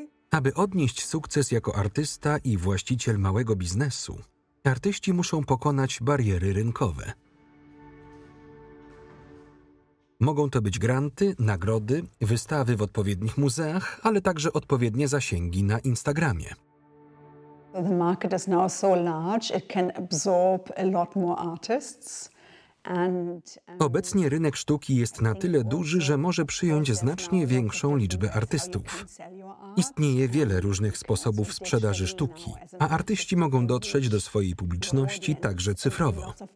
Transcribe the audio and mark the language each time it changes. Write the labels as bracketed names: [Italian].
[Polish] Aby odnieść sukces jako artysta i właściciel małego biznesu, artyści muszą pokonać bariery rynkowe. Mogą to być granty, nagrody, wystawy w odpowiednich muzeach, ale także odpowiednie zasięgi na Instagramie. [English] The market is now so large, it can absorb a lot more artists. [Polish] Obecnie rynek sztuki jest na tyle duży, że może przyjąć znacznie większą liczbę artystów. Istnieje wiele różnych sposobów sprzedaży sztuki, a artyści mogą dotrzeć do swojej publiczności także cyfrowo.